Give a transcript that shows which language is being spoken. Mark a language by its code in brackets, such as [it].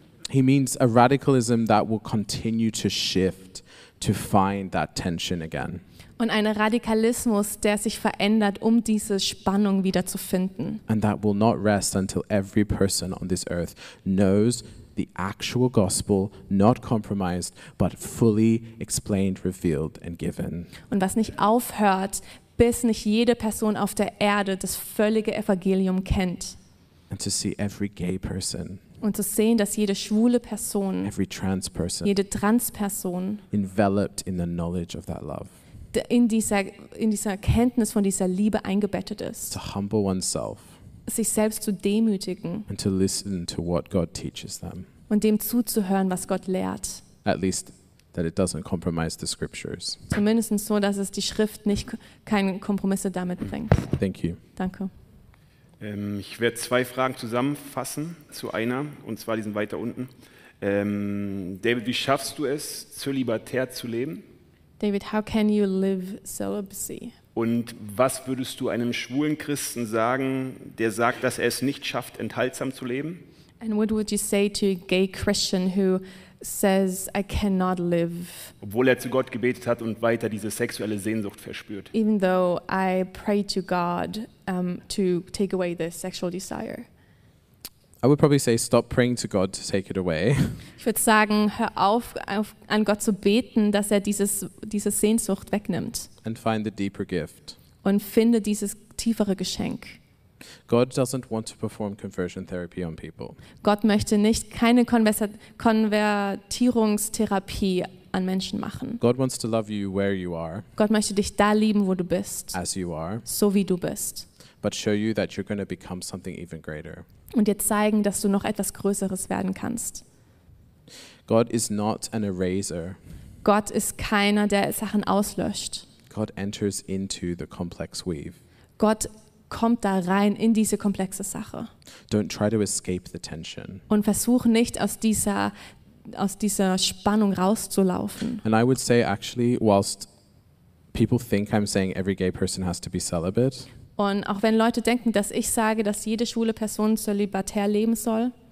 [en] He means a radicalism that will continue to shift to find that tension again. [de] Und ein Radikalismus, der sich verändert, um diese Spannung wieder zu finden. [en] And that will not rest until every person on this earth knows the actual gospel, not compromised, but fully explained, revealed and given. [de] Und was nicht aufhört, bis nicht jede Person auf der Erde das völlige Evangelium kennt. [en] And to see every gay person, [de] und zu sehen, dass jede schwule Person, [en] every trans person, [de] jede Transperson, [en] enveloped in the knowledge of that love, [de] in dieser Kenntnis von dieser Liebe eingebettet ist, [en] to humble oneself, [de] sich selbst zu demütigen, [en] and to listen to what God teaches them, [de] und dem zuzuhören, was Gott lehrt, [en] at least that it doesn't compromise the scriptures, [de] zumindest so, dass es die Schrift nicht keine Kompromisse damit bringt. [en] Thank you. [de] Danke. Ich werde zwei Fragen zusammenfassen zu einer, und zwar die sind weiter unten. David, wie schaffst du es, zölibatär zu leben? [en] David, how can you live celibacy? [de] Und was würdest du einem schwulen Christen sagen, der sagt, dass er es nicht schafft, enthaltsam zu leben? [en] And what would you say to a gay Christian who says, I cannot live? [de] Obwohl er zu Gott gebetet hat und weiter diese sexuelle Sehnsucht verspürt. [en] Even though I pray to God to take away this sexual desire. I would probably say, stop praying to God to take it away. [de] Ich würde sagen, hör auf, an Gott zu beten, dass er diese Sehnsucht wegnimmt. [en] And find the deeper gift. [de] Und finde dieses tiefere Geschenk. [en] God doesn't want to perform conversion therapy on people. [de] Gott möchte nicht keine Konvertierungstherapie an Menschen machen. [en] God wants to love you where you are. [de] Gott möchte dich da lieben, wo du bist. [en] As you are. [de] So wie du bist. [en] But show you that you're going to become something even greater. [de] Und dir zeigen, dass du noch etwas Größeres werden kannst. [en] God is not an eraser. [de] Gott ist keiner, der Sachen auslöscht. [en] God enters into the complex weave. [de] Gott kommt da rein in diese komplexe Sache. [en] Don't try to escape the tension. [de] Und versuch nicht aus dieser Spannung rauszulaufen. [en] And I would say actually, whilst people think I'm saying every gay person has to be celibate. [de] Und auch wenn Leute denken, dass ich sage, dass jede schwule Person zölibatär leben soll.